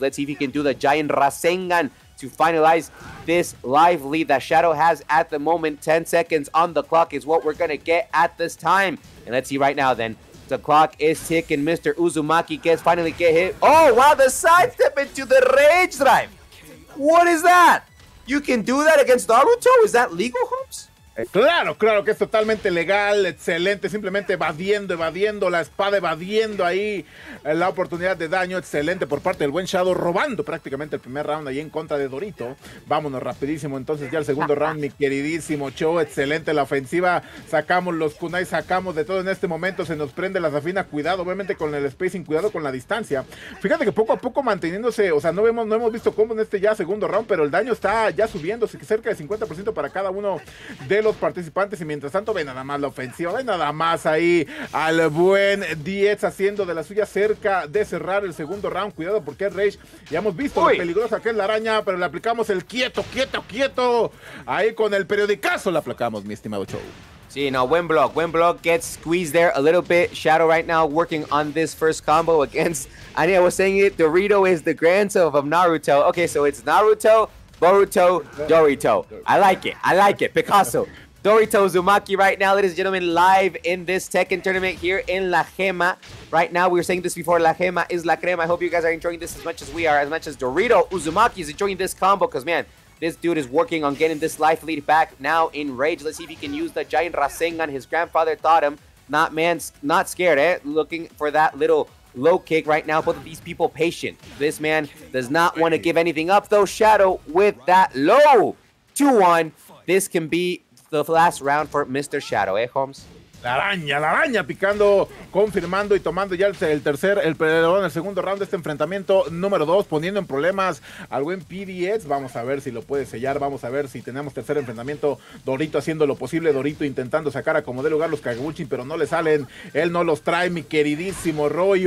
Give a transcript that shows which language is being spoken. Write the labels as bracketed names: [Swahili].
[English] Let's see if he can do the giant Rasengan to finalize this live lead that Shadow has at the moment. 10 seconds on the clock is what we're going to get at this time. And let's see right now then. The clock is ticking. Mr. Uzumaki finally gets hit. Oh, wow, the sidestep into the rage drive. What is that? You can do that against Naruto? Is that legal, Hoops? [Spanish] Claro, claro que es totalmente legal, excelente, simplemente evadiendo la espada, evadiendo ahí la oportunidad de daño, excelente por parte del buen Shadow, robando prácticamente el primer round ahí en contra de Dorito. Vámonos rapidísimo entonces ya al segundo round, mi queridísimo Joe, excelente la ofensiva, sacamos los kunai, sacamos de todo en este momento, se nos prende la zafina, cuidado obviamente con el spacing, cuidado con la distancia. Fíjate que poco a poco manteniéndose, o sea, no hemos visto cómo en este ya segundo round, pero el daño está ya subiéndose cerca de 50% para cada uno de los participantes, y mientras tanto ve nada más la ofensiva, ve nada más ahí al buen Diez haciendo de la suya cerca de cerrar el segundo round. Cuidado porque es Rage, ya hemos visto lo peligrosa que es la araña, pero le aplicamos el quieto, quieto, quieto, ahí con el periodicazo le aplicamos, mi estimado Chou. Sí, no, buen [English] block, gets squeezed there a little bit. Shadow right now working on this first combo against, and I was saying it, Dorito is the grandson of Naruto. Okay, so it's Naruto, Boruto, Dorito. I like it. Picasso. Dorito Uzumaki right now, ladies and gentlemen, live in this Tekken tournament here in La Gema. Right now, we were saying this before, La Gema is La Crema. I hope you guys are enjoying this as much as we are, as much as Dorito Uzumaki is enjoying this combo, because, man, this dude is working on getting this life lead back now in Rage. Let's see if he can use the giant Rasengan his grandfather taught him. Not scared. Looking for that little low kick right now. Both of these people patient. This man does not want to give anything up, though. Shadow with that low 2-1. This can be the last round for Mr. Shadow, Holmes? [Spanish] La araña picando, confirmando y tomando ya el segundo round de este enfrentamiento número 2, poniendo en problemas al buen PDX. Vamos a ver si lo puede sellar, vamos a ver si tenemos tercer enfrentamiento. Dorito haciendo lo posible, Dorito intentando sacar a como de lugar los Kagebuchi, pero no le salen, él no los trae, mi queridísimo Roy.